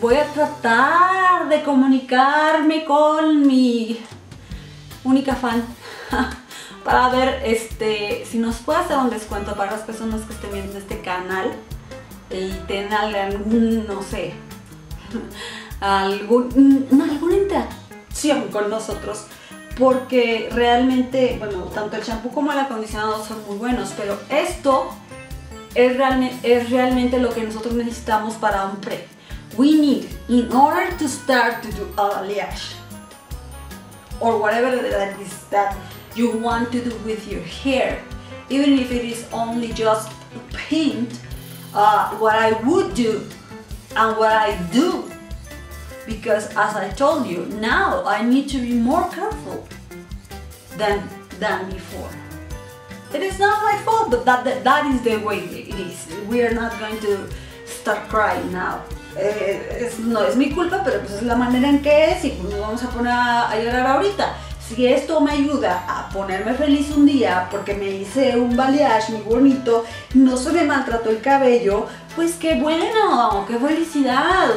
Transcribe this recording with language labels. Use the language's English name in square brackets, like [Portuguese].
[Spanish] Voy a tratar de comunicarme con mi única fan para ver si nos puede hacer un descuento para las personas que estén viendo este canal y tengan algún, no sé, alguna interacción con nosotros. Porque realmente, bueno, tanto el champú como el acondicionador son muy buenos, pero esto es realmente lo que nosotros necesitamos para un pre. [English] We need, in order to start to do a balayage or whatever that is that you want to do with your hair, even if it is only just paint, what I would do and what I do, because as I told you, now I need to be more careful than before. It is not my fault, but that is the way it is. We are not going to start crying now. [Spanish] No es mi culpa, pero pues es la manera en que es y pues nos vamos a poner a llorar ahorita. Si esto me ayuda a ponerme feliz un día porque me hice un balayage muy bonito, no se me maltrató el cabello, pues qué bueno, qué felicidad.